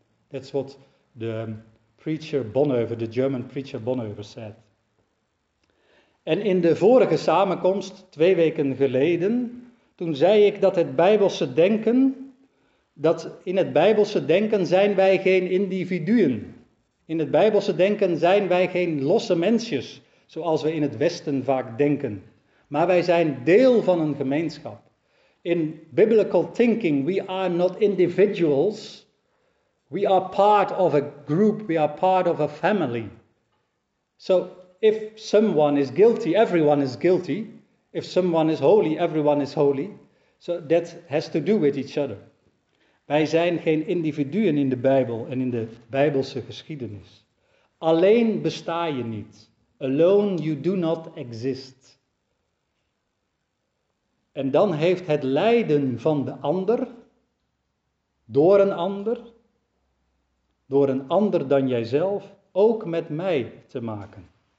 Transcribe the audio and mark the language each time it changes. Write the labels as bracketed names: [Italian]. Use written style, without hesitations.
[English] That's what the preacher Bonhoeffer, the German preacher Bonhoeffer said. [Dutch] En in de vorige samenkomst, twee weken geleden, toen zei ik dat het Bijbelse denken, dat in het Bijbelse denken zijn wij geen individuen. In het Bijbelse denken zijn wij geen losse mensjes, zoals we in het Westen vaak denken. Maar wij zijn deel van een gemeenschap. [English] In biblical thinking, we are not individuals. We are part of a group, we are part of a family. So, if someone is guilty, everyone is guilty. If someone is holy, everyone is holy. So that has to do with each other. [Dutch] Wij zijn geen individuen in de Bijbel en in de Bijbelse geschiedenis. Alleen besta je niet. [English] Alone you do not exist. [Dutch] En dan heeft het lijden van de ander, door een ander, dan jijzelf, ook met mij te maken.